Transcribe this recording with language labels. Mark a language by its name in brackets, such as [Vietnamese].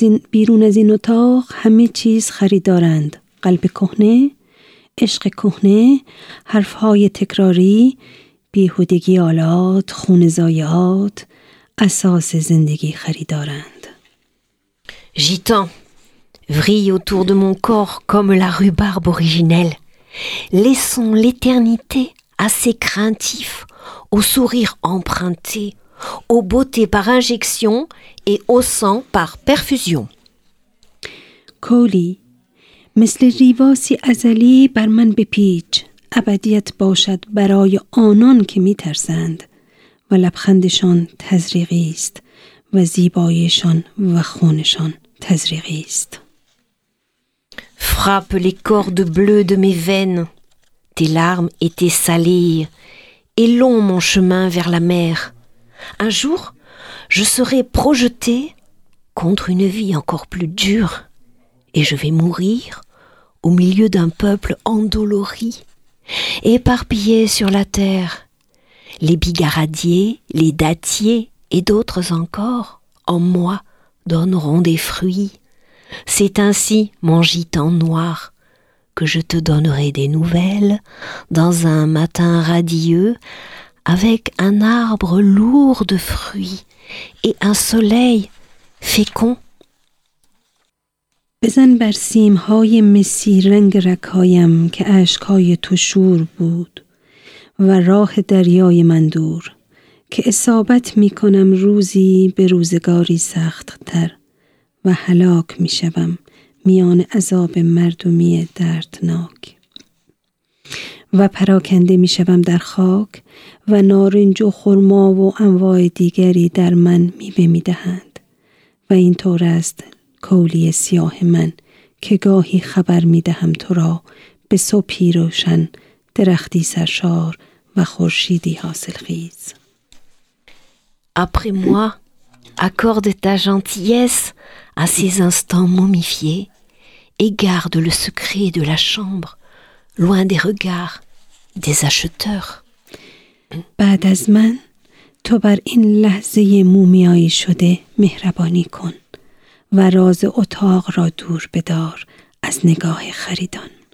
[Persian] بیرون از این اتاق همه چیز خریدارند، قلب کهنه، عشق کهنه، حرفهای تکراری، بیهودگی آلات، خون زایات، اساس زندگی خریدارند. [French] جیتان vrille autour de mon corps comme la rhubarbe originelle. Laissons l'éternité à ces craintifs, aux sourires empruntés, aux beautés par injection et au sang par perfusion. [Persian] Koli, مثل ریواسی ازلی بر من بپیچ، ابدیت باشد برای آنان که میترسند و لبخندشان تزریقی است و زیبایشان و خونشان تزریقی است. [French] Frappe les cordes bleues de mes veines, tes larmes et tes salives, et long mon chemin vers la mer. Un jour, je serai projetée contre une vie encore plus dure, et je vais mourir au milieu d'un peuple endolori, éparpillé sur la terre. Les bigaradiers, les dattiers et d'autres encore, en moi, donneront des fruits. C'est ainsi, mon gitan noir, que je te donnerai des nouvelles dans un matin radieux avec un arbre lourd de fruits et un soleil fécond. [Persian] بزن بر سیم‌های مسی رنگ رگ‌هایم که اشک‌های تو شور بود و راه دریای من دور که اصابت می‌کنم روزی به روزگاری سخت‌تر و هلاک می شوم میان عذاب مردمی دردناک و پراکنده می شوم در خاک و نارنج و خرما و انواع دیگری در من میوه می دهند و این طور است کولی سیاه من که گاهی خبر می دهم تو را به صبحی روشن درختی سرشار و خورشیدی حاصل خیز. [French] Après moi, accorde ta gentillesse à ces instants momifiés et garde le secret de la chambre loin des regards des acheteurs. [Persian] بعد از من تو بر این لحظه مومیایی شده مهربانی کن و راز اتاق را دور بدار از نگاه خریدان.